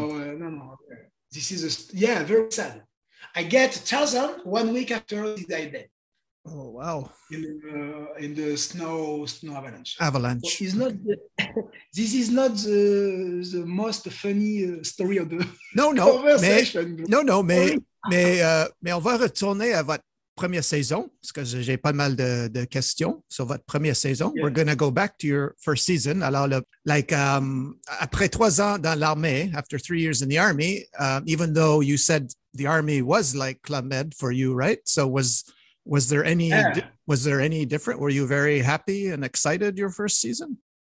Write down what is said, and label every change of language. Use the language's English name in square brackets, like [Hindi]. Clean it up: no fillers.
[English] No. This is, very sad. I get Tarzan 1 week after he died dead. Oh, wow. In the snow avalanche. Avalanche. So this is not the most funny story of the conversation. [French] Mais on va retourner à votre première saison, parce que j'ai pas mal de questions sur votre première saison. [English] Yeah. We're going to go back to your first season. [French] Alors, après 3 ans dans l'armée, [English] after 3 years in the army, even though you said the army was like Club Med for you, right? So was there any different? Were you very happy and excited your first season?